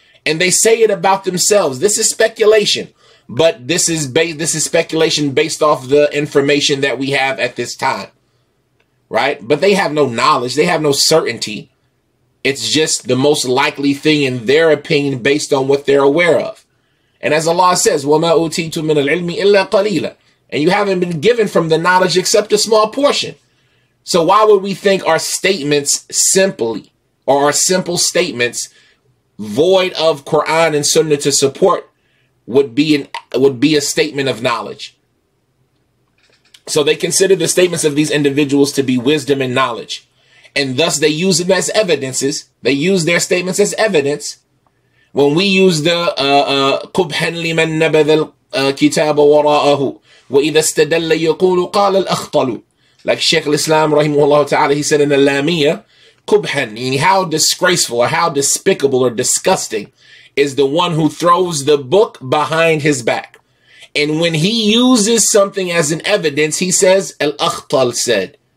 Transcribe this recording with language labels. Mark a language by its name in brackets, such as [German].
[English] And they say it about themselves. This is speculation, but this is speculation based off the information that we have at this time, right? But they have no knowledge. They have no certainty. It's just the most likely thing in their opinion based on what they're aware of. And as Allah says, [Arabic] وَمَا أُوتِيتُم مِّنَ الْعِلْمِ إِلَّا قَلِيلًا. [English] And you haven't been given from the knowledge except a small portion. So why would we think our statements simply, or our simple statements, void of Quran and Sunnah to support, would be a statement of knowledge? So they consider the statements of these individuals to be wisdom and knowledge. And thus they use them as evidences. They use their statements as evidence. When we use the [Arabic] قُبْحًا لِمَنْ نَبَذَ الْكِتَابَ وَرَاءَهُ وَإِذَا اسْتَدَلَّ يَقُولُ قَالَ الْأَخْطَلُ. [English] Like Sheikh al-Islam, rahimahullah ta'ala, he said in the Lamiyah, قُبْحًا, meaning how disgraceful or how despicable or disgusting is the one who throws the book behind his back. And when he uses something as an evidence, he says, al-Akhtal said.